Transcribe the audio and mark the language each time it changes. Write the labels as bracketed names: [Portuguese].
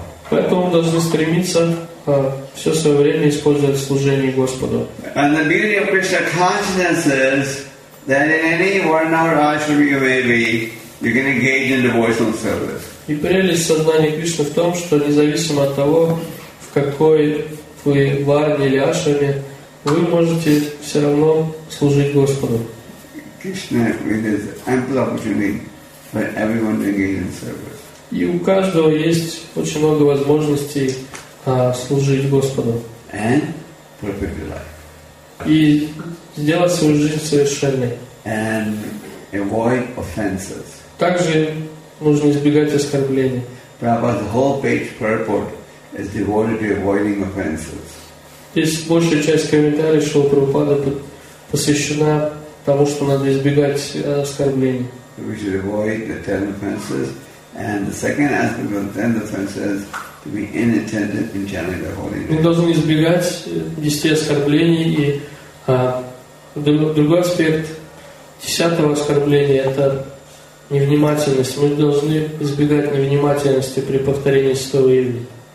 [Russian] Поэтому мы должны стремиться все свое время использовать в служении Господу. [English] And the beauty of Krishna consciousness is that in any varna or ashram you may be, you can engage in devotional service. [Russian] И прелесть сознания Кришны в том, что независимо от того, в какой вы варне или ашраме, вы можете все равно служить Господу. [English] Krishna is ample opportunity for everyone to engage in service. [Russian] И у каждого есть очень много возможностей служить Господу. [English] And perfect life. [Russian] И сделать свою жизнь совершенной. [English] And avoid offenses. [Russian] Также нужно избегать оскорблений. [English] Prabhupada's whole page purport is devoted to avoiding offenses. [Russian] Здесь большая часть комментариев Шрилы Прабхупады посвящена тому, что надо избегать оскорблений. [English] We should avoid the 10 offenses. And the second aspect of the 10 offenses to be inattentive in chanting the holy name. [Russian] Мы должны избегать 10 оскорблений. И другой аспект 10 оскорбления — это невнимательность. Мы должны избегать невнимательности при повторении святого имени.